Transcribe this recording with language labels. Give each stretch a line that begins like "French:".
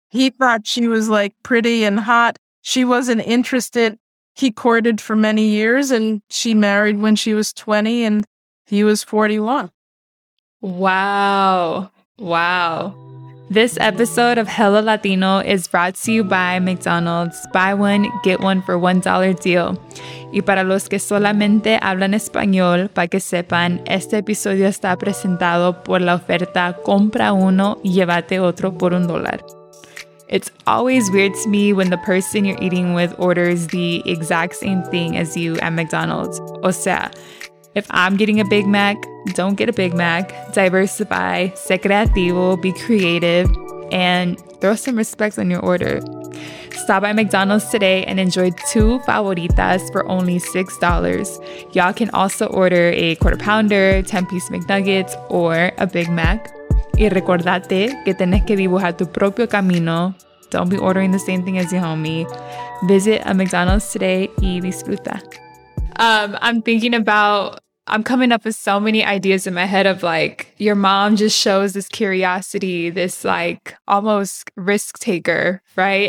English: He thought she was like pretty and hot. She wasn't interested. He courted for many years, and she married when she was 20 and he was 41. Wow. Wow. This episode of Hello Latino is brought to you by McDonald's. Buy one, get one for $1 deal.
Spanish: Y para los que solamente hablan español, para que sepan, este episodio está presentado por la oferta Compra Uno, Llévate Otro por un dólar.
English: It's always weird to me when the person you're eating with orders the exact same thing as you at McDonald's.
Spanish: O sea,
English: if I'm getting a Big Mac, don't get a Big Mac. Diversify,
Spanish: sé creativo,
English: be creative, and throw some respect on your order. Stop by McDonald's today and enjoy two favoritas for only $6. Y'all can also order a quarter pounder, 10-piece McNuggets, or a Big Mac.
Spanish: Y recordate que tenés que dibujar tu propio camino.
English: Don't be ordering the same thing as your homie. Visit a McDonald's today
Spanish: y disfruta.
English: I'm coming up with so many ideas in my head of like, your mom just shows this curiosity, this like almost risk taker, right?